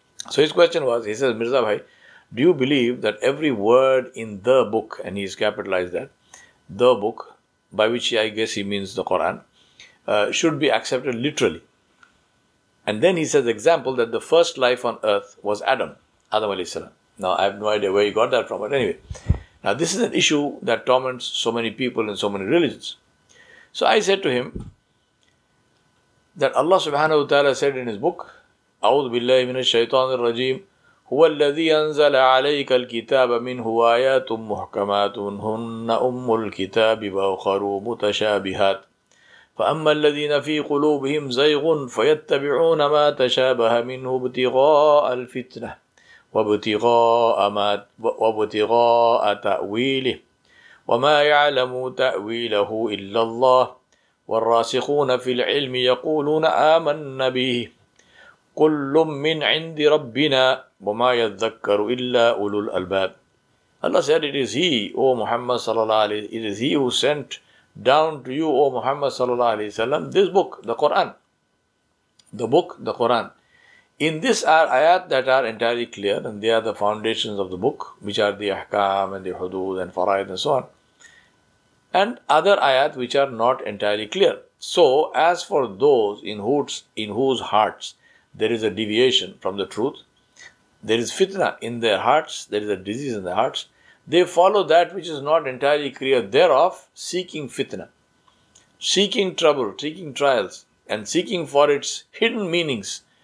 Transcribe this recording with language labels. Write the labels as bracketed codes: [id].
[en] So his question was, he says, Mirza Bhai, do you believe that every word in the book, and he's capitalized that, the book, by which I guess he means the Quran, should be accepted literally? And then he says, example, that the first life on earth was Adam alayhi salam. Now, I have no idea where he got that from, but anyway... Now, this is an issue that torments so many people in so many religions. So, I said to him that Allah subhanahu wa ta'ala said in his book, [ar] أعوذ بالله من الشيطان الرجيم هو الذي أنزل عليك الكتاب منه آيات محكمات هن أم الكتاب وأخر متشابهات فأما الذين في قلوبهم زيغ فيتبعون ما تشابه منه ابتغاء الفتنة وابتغاء تأويله وما يعلم تأويله إلا الله والراسخون في العلم يقولون آمنا به كل من عند ربنا وما يذكر إلا أولو الألباب [en] Allah said, it is He, O Muhammad sallallahu alayhi wa sallam, it is He who sent down to you, O Muhammad sallallahu alayhi wa sallam, this book, the Quran. The book, the Quran. In this are ayat that are entirely clear, and they are the foundations of the book, which are the ahkam and the hudud and faraid and so on, and other ayat which are not entirely clear. So, as for those in whose hearts there is a deviation from the truth, there is fitna in their hearts, there is a disease in their hearts, they follow that which is not entirely clear thereof, seeking fitna, seeking trouble, seeking trials, and seeking for its hidden meanings.